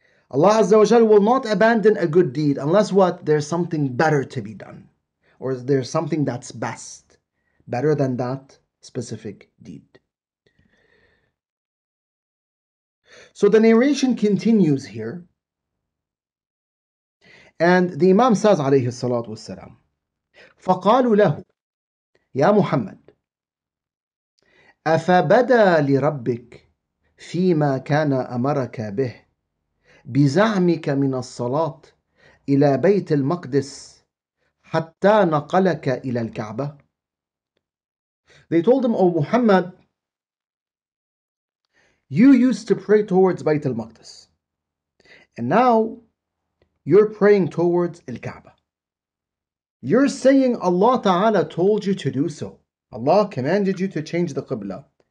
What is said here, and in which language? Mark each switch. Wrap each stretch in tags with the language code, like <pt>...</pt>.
<en>Allah Azza wa Jal will not abandon a good deed unless what? There's something better to be done. Or there's something that's best. Better than that specific deed. So the narration continues here. And the Imam says,</en> <ar>عليه الصلاة والسلام, فَقَالُوا لَهُ يَا مُحَمَّدُ أَفَبَدَى لِرَبِّكَ فِي مَا كَانَ أَمَرَكَ بِهِ بِزَعْمِكَ مِنَ الصَّلَاةِ إِلَى بَيْتِ الْمَقْدِسِ حَتَّى نَقَلَكَ إِلَى الْكَعْبَةِ.</ar> <en>They told him, O Muhammad, you used to pray towards Bayt al-Maqdis, and now you're praying towards Al-Kaaba. You're saying Allah Ta'ala told you to do so. Allah commanded you to change the Qibla.</en>